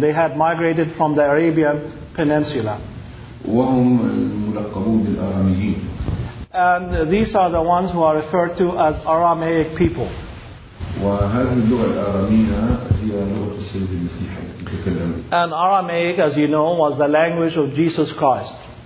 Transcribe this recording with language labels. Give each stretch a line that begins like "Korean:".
English: They had migrated from the Arabian Peninsula.
Arabic: وهم الملقبون بالآراميين.
English: And these are the ones who are referred to as Aramaic people.
Arabic: وهذه اللغة الآرامية هي لغة السيد المسيح يتكلم.
English: And Aramaic, as you know, was the language of Jesus Christ.